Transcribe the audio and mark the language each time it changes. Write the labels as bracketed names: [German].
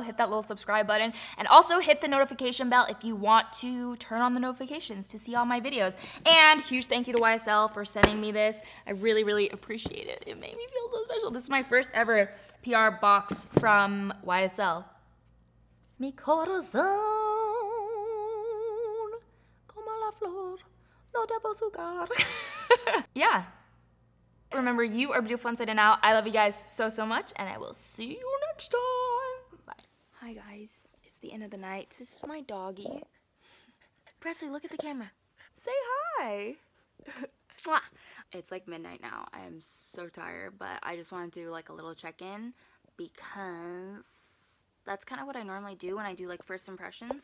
[English] Hit that little subscribe button, and also hit the notification bell if you want to turn on the notifications to see all my videos. And huge thank you to YSL for sending me this. I really, really appreciate it. It made me feel so special. This is my first ever PR box from YSL. [Spanish] Mi corazón, como la flor, no debo jugar. [English] Yeah. Remember, you are beautiful inside and out. I love you guys so, so much, and I will see you next time. Bye. Hi, guys. It's the end of the night. This is my doggy. Presley, look at the camera. Say hi. It's like midnight now. I am so tired, but I just want to do like a little check-in because that's kind of what I normally do when I do like first impressions.